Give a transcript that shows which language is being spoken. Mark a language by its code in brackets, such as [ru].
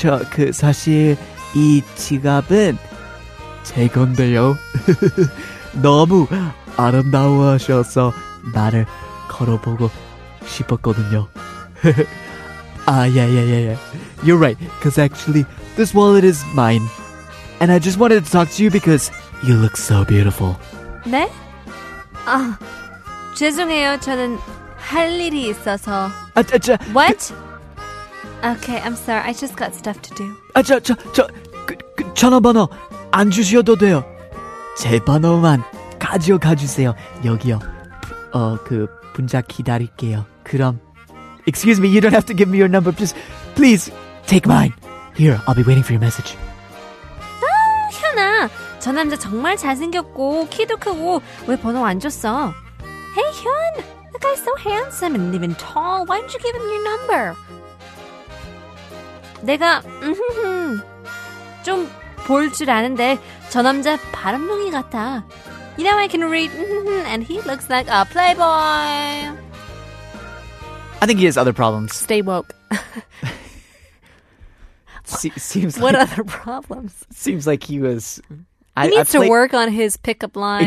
[ko] 그 사실 이 지갑은 제 건데요. 너무 아름다워하셔서 나를 걸어보고 싶었거든요. 아, yeah. [en] You're right, because actually this wallet is mine. And I just wanted to talk to you because you look so beautiful. [ko] 네? 아, 죄송해요. 저는 할 일이 있어서. 아, 저, [en] What? Okay, I'm sorry. I just got stuff to do. [ko] 아, 저 전화번호 안 주셔도 돼요. 제 번호만 가져가 주세요. 여기요. 분자 기다릴게요. 그럼. [en] Excuse me, you don't have to give me your number. Just please take mine. Here, I'll be waiting for your message. [ko] 아, 현아. 저 남자 정말 잘생겼고 키도 크고 왜 번호 안 줬어? [en] Hey, Hyun! That guy's so handsome and even tall. Why don't you give him your number? [ko] 내가 좀 볼 줄 아는데 저 남자 바람둥이 같아. [en] You know I can read and he looks like a playboy. I think he has other problems. Stay woke. seems what like, other problems? Seems like he was... He needs to work on his pickup line.